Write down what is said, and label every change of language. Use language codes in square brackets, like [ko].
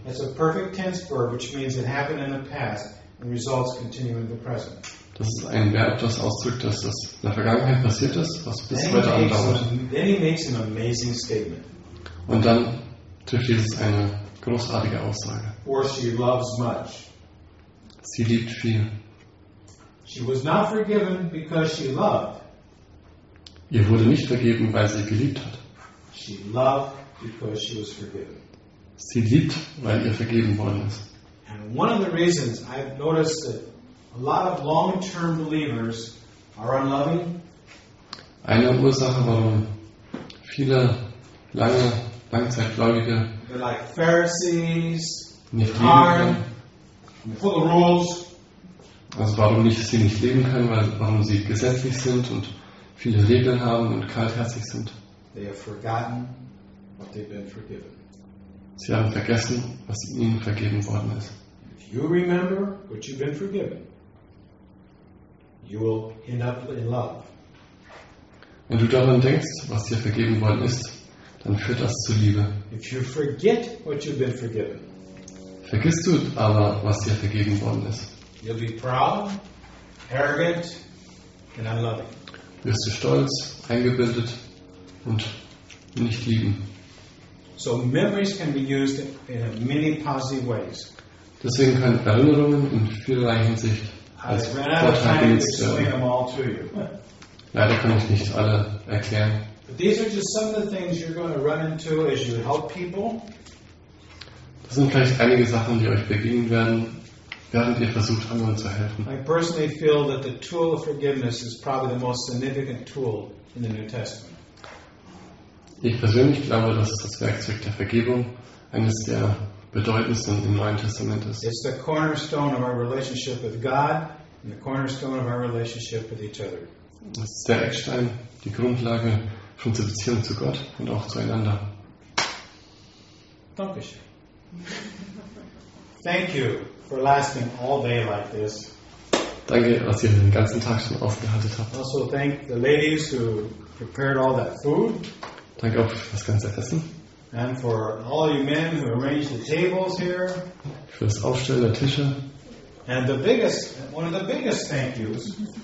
[en] It's a perfect tense verb, which means it happened in the past and results continue in the present. [de] Das ist ein Verb, das ausdrückt, dass das in der Vergangenheit passiert ist, was bis heute andauert. [en] Then he makes an amazing statement. [de] Und dann trifft Jesus eine großartige Aussage. [en] For she loves much. [de] Sie liebt viel. [en] She was not forgiven because she loved. [de] Ihr wurde nicht vergeben, weil sie geliebt hat. [en] She loved because she was forgiven. [de] Sie liebt, weil ihr vergeben worden ist. [en] And one of the reasons I've noticed that a lot of long-term believers are unloving. [de] Eine Ursache, warum viele Langzeitgläubige [en] they're like Pharisees, [de] nicht leben [en] können, full of rules. [de] Also warum nicht, dass sie nicht leben können, weil warum sie gesetzlich sind und viele Regeln haben und kaltherzig sind. [en] They have forgotten what they've been forgiven. [de] Sie haben vergessen, was ihnen vergeben worden ist. [en] If you remember what you've been forgiven, you will end up in love. [de] Wenn du daran denkst, was dir vergeben worden ist, dann führt das zu Liebe. [en] If you forget what you've been forgiven, [de] vergisst du aber, was dir vergeben worden ist, [en] you'll be proud, arrogant, and unloving. [de] Wirst du stolz, eingebildet und nicht lieben. [en] So memories can be used in many positive ways. [de] Deswegen können Erinnerungen in vielerlei Hinsicht als Vorteil genutzt werden. Leider kann ich nicht alle erklären. [en] But these are just some of the things you're going to run into as you help people. [de] Das sind vielleicht einige Sachen, die euch begegnen werden, während ihr versucht, anderen zu helfen. [en] I personally feel that the tool of forgiveness is probably the most significant tool in the New Testament. [de] Ich persönlich glaube, dass das Werkzeug der Vergebung eines der bedeutendsten im Neuen Testament ist. [en] It's the cornerstone of our relationship with God and the cornerstone of our relationship with each other. [de] Es ist der Eckstein, die Grundlage von der Beziehung zu Gott und auch zueinander. Danke schön. [en] Thank you for lasting all day like this. [de] Danke, dass ihr den ganzen Tag schon ausgehalten habt. [en] Also thank the ladies who prepared all that food. [de] Danke auch für das ganze Essen. [en] And for all you men who arranged the tables here. [de] Für das Aufstellen der Tische. [en] And the biggest, one of the biggest thank yous.